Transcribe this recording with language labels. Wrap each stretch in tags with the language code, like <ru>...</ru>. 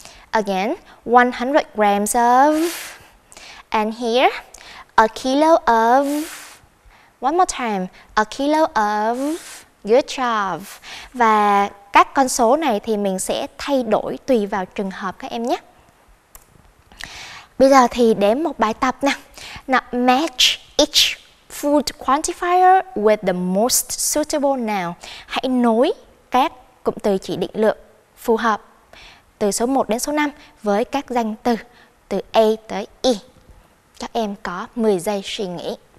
<en>Again, 100 grams of. And here, a kilo of. One more time. A kilo of. Good job.</en> <vi>Và các con số này thì mình sẽ thay đổi tùy vào trường hợp các em nhé. Bây giờ thì đếm một bài tập nào.</vi> <en>Now, match each food quantifier with the most suitable noun.</en> <vi>Hãy nối các cụm từ chỉ định lượng phù hợp từ số 1 đến số 5 với các danh từ từ A tới I. Các em có 10 giây suy nghĩ.</vi>